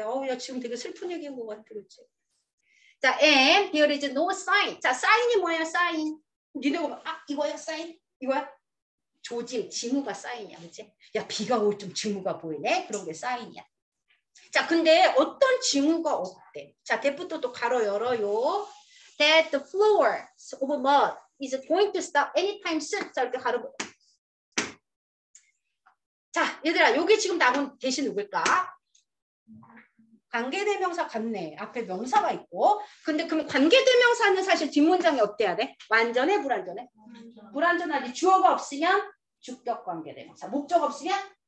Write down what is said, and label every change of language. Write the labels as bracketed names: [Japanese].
[Korean] 어, 야, 지금 되게 슬픈 얘기인 것 같아, 그렇지? 자, [English] and there is no sign. [Korean] 자, sign이 뭐야, sign? 니네가 아, 이거야, sign? 이거야? 조짐, 징후가 sign이야, 그치? 야, 비가 올 좀 징후가 보이네? 그런 게 sign이야. 자, 근데 어떤 징후가 없대? 자, 대부터 또 가로 열어요. [English] That the floor of mud is going to stop anytime soon. [Korean] 자, 이렇게 가로. 자, 얘들아, 여기 지금 나온 대신 누굴까? 관계대명사 같네. 앞에 명사가 있고. 근데 그럼 관계대명사는 사실 뒷문장에 어때야 돼? 완전해? 불완전해? 불완전하지. 주어가 없으면 주격 관계대명사. 목적 없으면?